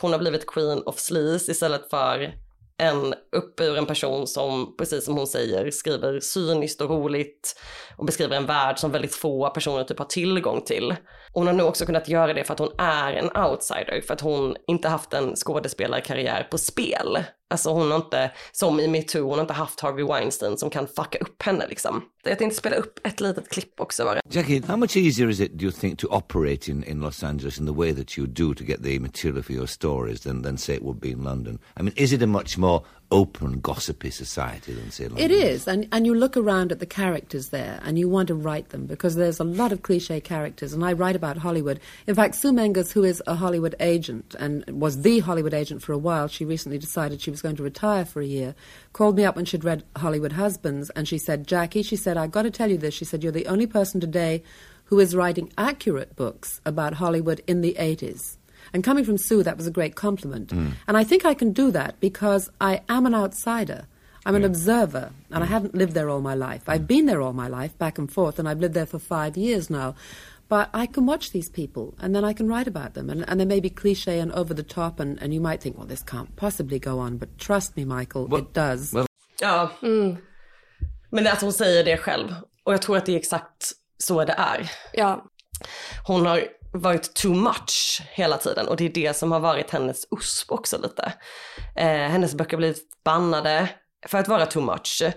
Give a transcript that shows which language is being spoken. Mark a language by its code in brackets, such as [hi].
[sv] Hon har blivit [en] queen of sleaze [sv] istället för en uppburen person som, precis som hon säger, skriver cyniskt och roligt och beskriver en värld som väldigt få personer typ har tillgång till. Och hon har nu också kunnat göra det för att hon är en outsider, för att hon inte haft en skådespelarkarriär på spel. Alltså hon har inte, som i Me Too, hon har inte haft Harvey Weinstein som kan fucka upp henne liksom. Jag tänkte spela upp ett litet klipp också bara. [en] Jackie, how much easier is it, do you think, to operate in Los Angeles in the way that you do to get the material for your stories than say it would be in London? I mean, is it a much more open, gossipy society than say London? It is, and you look around at the characters there and you want to write them, because there's a lot of cliche characters, and I write about Hollywood. In fact, Sue Mengus, who is a Hollywood agent and was the Hollywood agent for a while, she recently decided she was going to retire for a year, called me up when she'd read Hollywood Husbands, and she said, Jackie, she said, I've got to tell you this. She said, you're the only person today who is writing accurate books about Hollywood in the 80s. And coming from Sue, that was a great compliment. Mm. And I think I can do that because I am an outsider. I'm an observer, and I haven't lived there all my life. I've been there all my life, back and forth, and I've lived there for 5 years now. But I can watch these people, and then I can write about them. And they may be cliche and over the top, and you might think, well, this can't possibly go on. But trust me, Michael, well, it does. [sv] Men det är att hon säger det själv. Och jag tror att det är exakt så det är. Ja. Hon har varit [en] too much [sv] hela tiden. Och det är det som har varit hennes USP också lite. Hennes böcker har blivit bannade för att vara [en] too much.